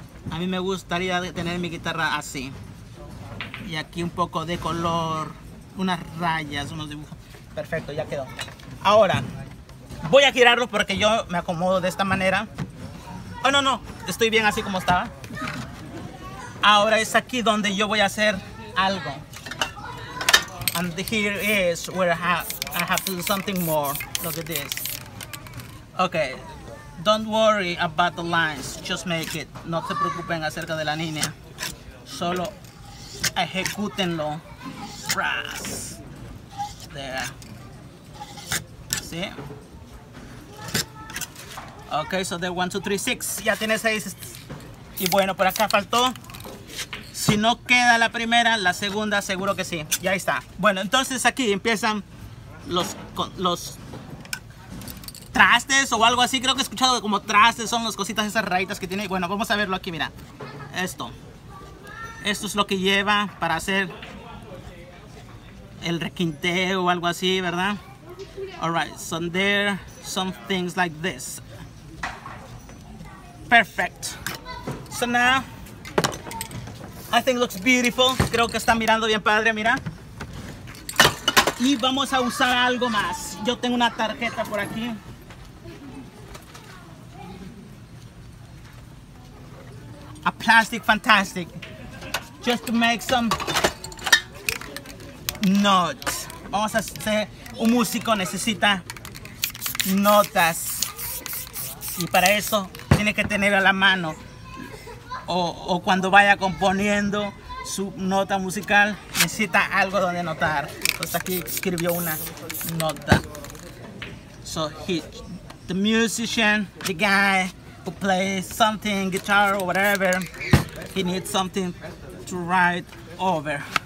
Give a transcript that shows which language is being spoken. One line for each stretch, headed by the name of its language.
Spanish: A mí me gustaría tener mi guitarra así. Y aquí un poco de color, unas rayas, unos dibujos. Perfecto, ya quedó. Ahora, voy a girarlo porque yo me acomodo de esta manera. Oh, no, no, estoy bien así como estaba. Ahora es aquí donde yo voy a hacer algo.
English: And here is where I have to do something more. Look at this. Okay. Don't worry about the lines. Just make it.
Spanish: No se preocupen acerca de la línea. Solo ejecútenlo.
English: Brass. There. See? Okay, so there 1, 2, 3, 6.
Spanish: Ya tiene 6. Y bueno, por acá faltó. Si no queda la primera, la segunda seguro que sí. Ya está. Bueno, entonces aquí empiezan los trastes o algo así. Creo que he escuchado como trastes, son las cositas, esas rayitas que tiene. Bueno, vamos a verlo aquí, mira. Esto. Esto es lo que lleva para hacer el requinteo o algo así, ¿verdad?
English: All right, so there are some things like this. Perfect. So now... I think it looks beautiful.
Spanish: Creo que está mirando bien padre, mira. Y vamos a usar algo más. Yo tengo una tarjeta por aquí.
English: a plastic fantastic just to make some notes.
Spanish: Vamos a hacer un músico necesita notas y para eso tiene que tener a la mano o cuando vaya componiendo su nota musical necesita algo donde notar. Entonces aquí escribió una nota.
English: So he, the musician, the guy who plays something, guitar or whatever, he needs something to write over.